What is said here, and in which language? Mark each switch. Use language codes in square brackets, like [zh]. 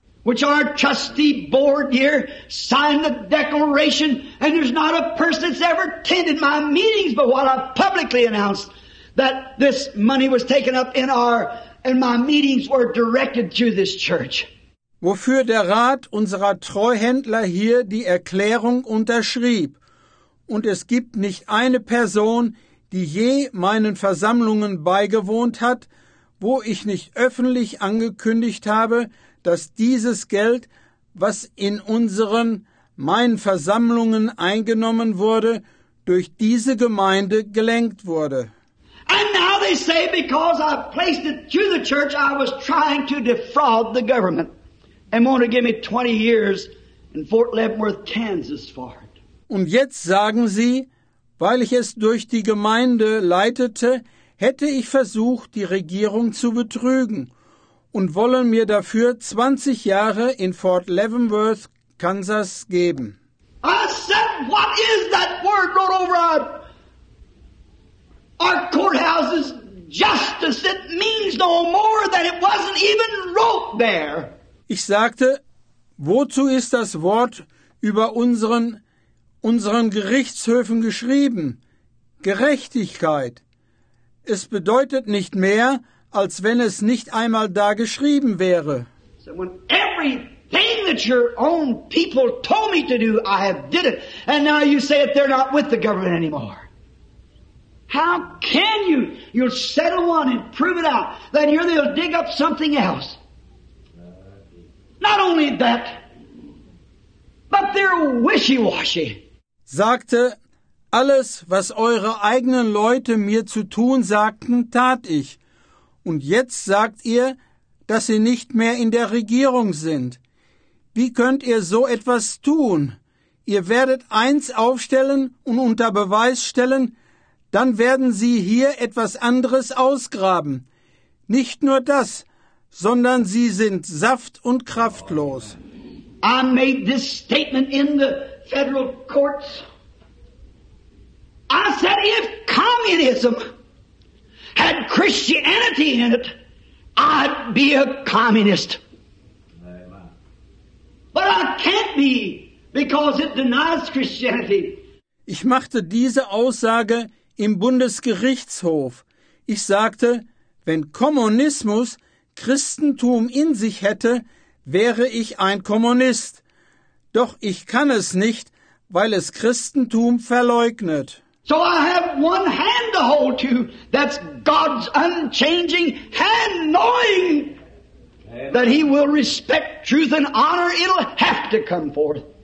[en] Which our trustee board here signed the declaration, and there's not a person that's ever attended my meetings but what I publicly announced that this money was taken up in our and my meetings were directed to this church. [de] Wofür der Rat unserer Treuhändler hier die Erklärung unterschrieb. Und es gibt nicht eine Person, die je meinen Versammlungen beigewohnt hat, wo ich nicht öffentlich angekündigt habe, dass dieses Geld, was in unseren, meinen Versammlungen eingenommen wurde, durch diese Gemeinde gelenkt wurde. [en] And now they say, because I placed it to the church, I was trying to defraud the government. And want to give me 20 years in Fort Leavenworth, Kansas for it. [de] Und jetzt sagen sie, weil ich es durch die Gemeinde leitete, hätte ich versucht, die Regierung zu betrügen und wollen mir dafür 20 Jahre in Fort Leavenworth, Kansas geben. [en] I said, what is that word wrote over our courthouses, justice? It means no more than it wasn't even wrote there. [de] Ich sagte, wozu ist das Wort über unseren Gerichtshöfen geschrieben? Gerechtigkeit. Es bedeutet nicht mehr, als wenn es nicht einmal da geschrieben wäre. [en] So when everything that your own people told me to do, I have did it. And now you say that they're not with the government anymore. How can you? You'll settle one and prove it out. Then here they'll dig up something else. Not only that, but they're wishy-washy. [de] Sagte, alles, was eure eigenen Leute mir zu tun sagten, tat ich. Und jetzt sagt ihr, dass sie nicht mehr in der Regierung sind. Wie könnt ihr so etwas tun? Ihr werdet eins aufstellen und unter Beweis stellen, dann werden sie hier etwas anderes ausgraben. Nicht nur das, sondern sie sind saft- und kraftlos. [en] I made this statement in the federal courts. I said, if communism had Christianity in it, I'd be a communist. But I can't be, because it denies Christianity. [de] Ich machte diese Aussage im Bundesgerichtshof. Ich sagte, wenn Kommunismus Christentum in sich hätte, wäre ich ein Kommunist. Doch ich kann es nicht, weil es Christentum verleugnet. [en] So I have one hand to hold to, that's God's unchanging hand, knowing that he will respect truth and honor, it'll have to come forth.